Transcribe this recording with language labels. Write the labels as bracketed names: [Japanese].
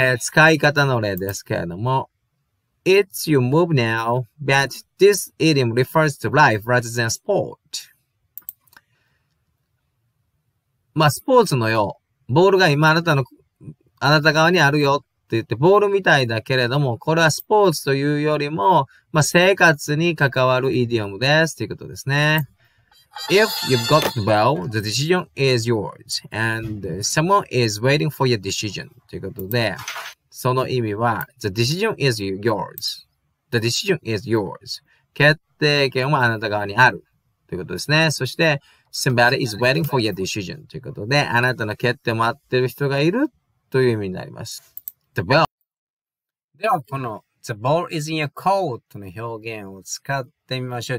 [Japanese] 使い方の例ですけれども、 [English] It's your move now, but this idiom refers to life rather than sport. [Japanese] まあ、スポーツのよう。ボールが今あなた側にあるよって言って、ボールみたいだけれども、これはスポーツというよりも、まあ、生活に関わるイディオムですということですね。 [English] If you've got the bell, the decision is yours, and someone is waiting for your decision [Japanese] ということで、その意味は、 [English] the decision is yours. The decision is yours. [Japanese] 決定権はあなた側にあるということですね。そして、 [English] Somebody is waiting for your decision [Japanese] ということで、あなたの決定を待ってる人がいるという意味になります。The ball. では、この The ball is in your court の表現を使ってみましょう。